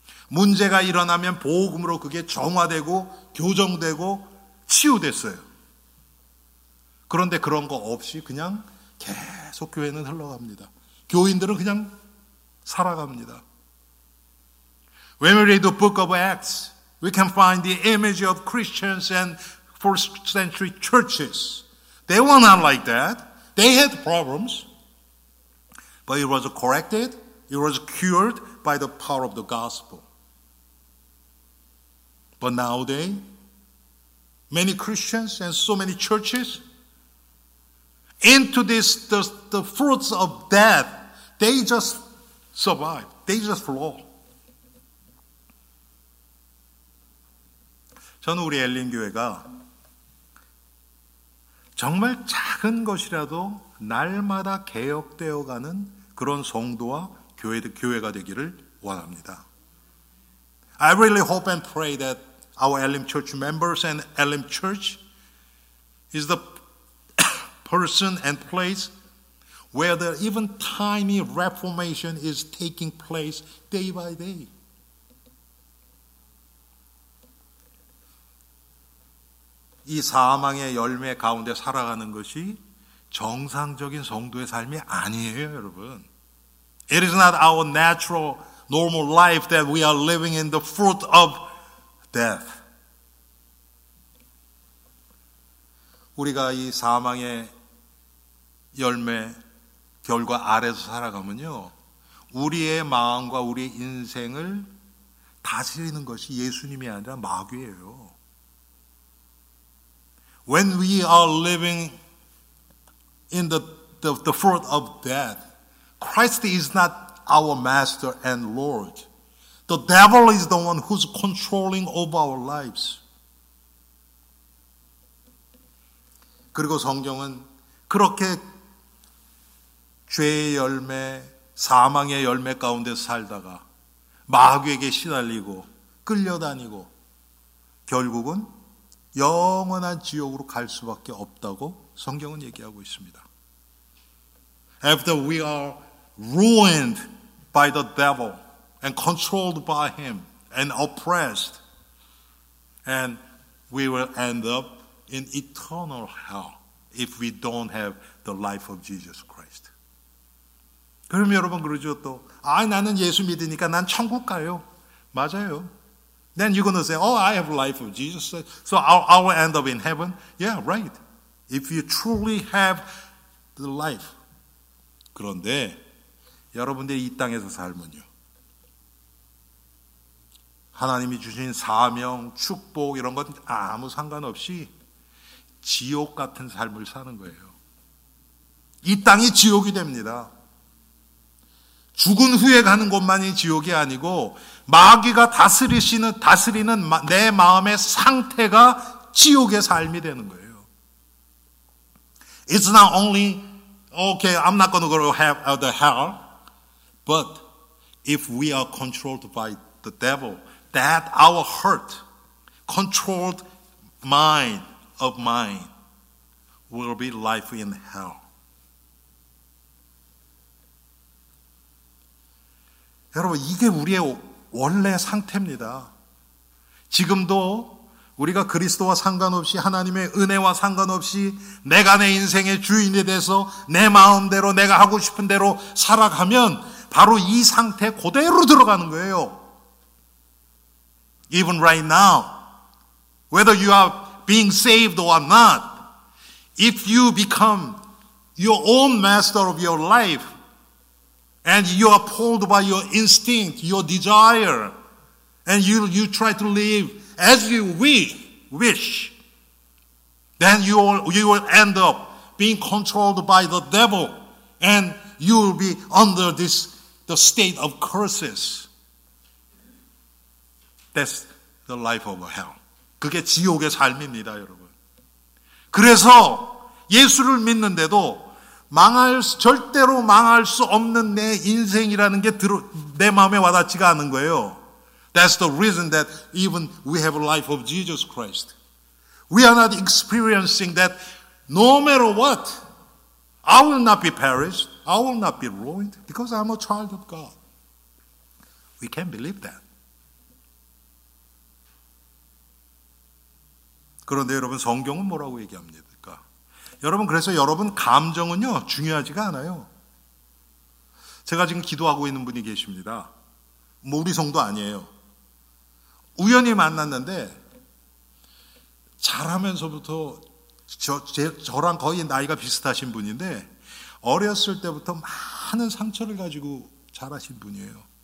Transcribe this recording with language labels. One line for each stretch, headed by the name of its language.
Korean: 문제가 일어나면 복음으로 그게 정화되고 교정되고 치유됐어요. 그런데 그런 거 없이 그냥 계속 교회는 흘러갑니다. 교인들은 그냥 살아갑니다.
English: When we read the book of Acts, we can find the image of Christians and first century churches. They were not like that. They had problems. But it was corrected. It was cured by the power of the gospel. But nowadays, many Christians and so many churches into this, the fruits of death, they just survive. They just flow.
Korean: 저는 우리 엘린 교회가 정말 작은 것이라도 날마다 개혁되어가는 그런 성도와 교회가 되기를 원합니다.
English: I really hope and pray that our Elim Church members and Elim Church is the person and place where the even tiny reformation is taking place day by day.
Korean: 이 사망의 열매 가운데 살아가는 것이 정상적인 성도의 삶이 아니에요, 여러분.
English: It is not our natural, normal life that we are living in the fruit of death.
Korean: 우리가 이 사망의 열매 결과 아래서 살아가면요, 우리의 마음과 우리의 인생을 다스리는 것이 예수님이 아니라 마귀예요.
English: When we are living in the fruit of death, Christ is not our master and Lord. The devil is the one who's controlling over our lives.
Korean: 그리고 성경은 그렇게 죄의 열매, 사망의 열매 가운데서 살다가 마귀에게 시달리고 끌려다니고 결국은 영원한 지옥으로 갈 수밖에 없다고 성경은 얘기하고 있습니다.
English: After we are ruined by the devil and controlled by him and oppressed, and we will end up in eternal hell if we don't have the life of Jesus Christ.
Korean: 그럼 여러분 그러죠 또. 아, 나는 예수 믿으니까 난 천국 가요. 맞아요.
English: Then you're going to say, oh, I have life of Jesus. So I'll end up in heaven. Yeah, right. If you truly have the life.
Korean: 그런데 여러분들이 이 땅에서 살면요, 하나님이 주신 사명, 축복 이런 건 아무 상관없이 지옥 같은 삶을 사는 거예요. 이 땅이 지옥이 됩니다. 죽은 후에 가는 곳만이 지옥이 아니고 마귀가 다스리는 내 마음의 상태가 지옥의 삶이 되는 거예요.
English: It's not only, okay, I'm not going to go to the hell, but if we are controlled by the devil, that our hurt, controlled mind of mine, will be life in hell.
Korean: 여러분, 이게 우리의 원래 상태입니다. 지금도 우리가 그리스도와 상관없이 하나님의 은혜와 상관없이 내가 내 인생의 주인이 돼서 내 마음대로 내가 하고 싶은 대로 살아가면 바로 이 상태 그대로 들어가는 거예요.
English: Even right now, whether you are being saved or not, if you become your own master of your life, and you are pulled by your instinct, your desire, and you try to live as you wish, then you will end up being controlled by the devil, and you will be under the state of curses. That's the life of hell.
Korean: 그게 지옥의 삶입니다, 여러분. 그래서 예수를 믿는데도 절대로 망할 수 없는 내 인생이라는 게 내 마음에 와닿지가 않은 거예요.
English: That's the reason that even we have a life of Jesus Christ. We are not experiencing that no matter what, I will not be perished, I will not be ruined because I'm a child of God. We can't believe that.
Korean: 그런데 여러분 성경은 뭐라고 얘기합니까? 여러분 그래서 여러분 감정은요 중요하지가 않아요. 제가 지금 기도하고 있는 분이 계십니다. 뭐 우리 성도 아니에요. 우연히 만났는데 자라면서부터 저랑 거의 나이가 비슷하신 분인데 어렸을 때부터 많은 상처를 가지고 자라신 분이에요.